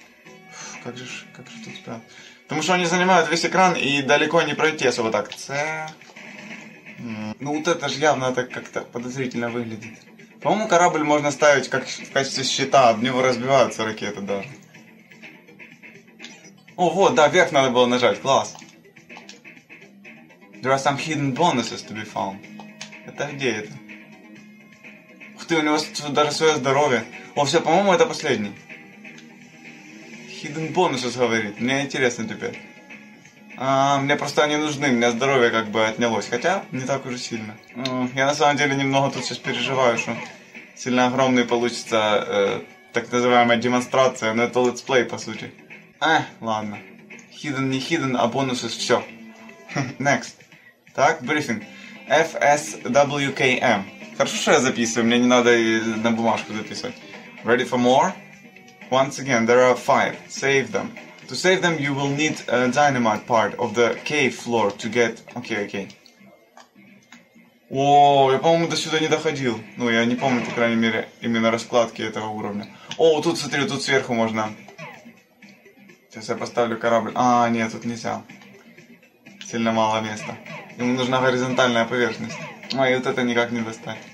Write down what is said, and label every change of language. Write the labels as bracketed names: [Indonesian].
[Russian] Фу, как же тут спят? Потому что они занимают весь экран и далеко не пройти особо так. Ну вот это же явно так как-то подозрительно выглядит. По-моему, корабль можно ставить как в качестве щита, об него разбиваются ракеты даже. О, вот, да, вверх надо было нажать. Класс. [English] There are some hidden bonuses to be found. [Russian] Это где это? Ух ты, у него даже свое здоровье. О, все, по-моему, это последний. [English] Hidden bonuses, [Russian] говорит. Мне интересно теперь. Мне просто они нужны, у меня здоровье как бы отнялось. Хотя, не так уж сильно. Я на самом деле немного тут сейчас переживаю, что сильно огромный получится так называемая демонстрация. Но это летсплей, по сути. Ладно. Hidden, не hidden, а бонусы, все. Next. Так, брифинг. FSWKM. Хорошо, что я записываю, мне не надо на бумажку записывать. [English] Ready for more? Once again, there are five. Save them. To save them, you will need a dynamite part of the cave floor to get... [Russian] Окей. Ооо, я, по-моему, до сюда не доходил. Ну, я не помню, по крайней мере, именно раскладки этого уровня. О, тут, смотри, тут сверху можно. Сейчас я поставлю корабль. А, нет, тут нельзя. Сильно мало места. Ему нужна горизонтальная поверхность. Ой, вот это никак не достать.